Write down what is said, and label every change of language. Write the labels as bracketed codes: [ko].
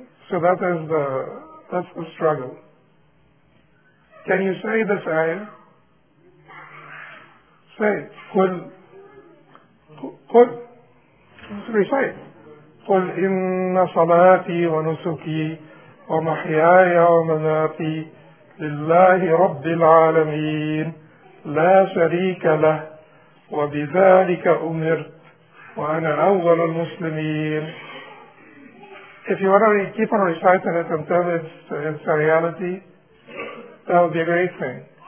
[en] So that's the struggle. Can you say this ayah? Say, قل recite. [ar] قل إن صلاتي ونسكي ومحياي ومماتي لله رب العالمين لا شريك له وبذلك أمرت وأنا أول المسلمين. [en] If you want to keep on reciting it until it's a reality, that would be a great thing.